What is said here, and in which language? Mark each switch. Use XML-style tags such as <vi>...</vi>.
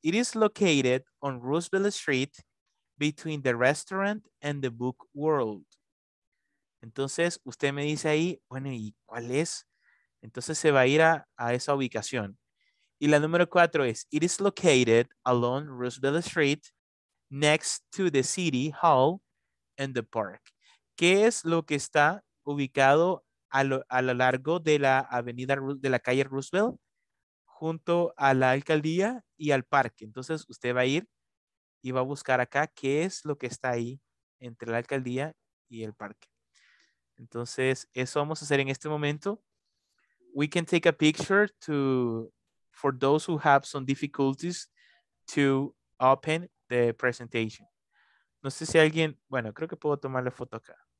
<en>It is located on Roosevelt Street between the restaurant and the Book World.</en> <es>Entonces, usted me dice ahí, bueno, ¿y cuál es? Entonces, se va a ir a esa ubicación. Y la número 4 es,</es> <en>it is located along Roosevelt Street next to the city hall and the park.</en> <es>¿Qué es lo que está ubicado a lo largo de la avenida, de la calle Roosevelt, junto a la alcaldía y al parque? Entonces usted va a ir y va a buscar acá qué es lo que está ahí entre la alcaldía y el parque. Entonces eso vamos a hacer en este momento.</es> <en>We can take a picture for those who have some difficulties to open the presentation.</en> <es>No sé si alguien, bueno, creo que puedo tomar la foto acá.</es>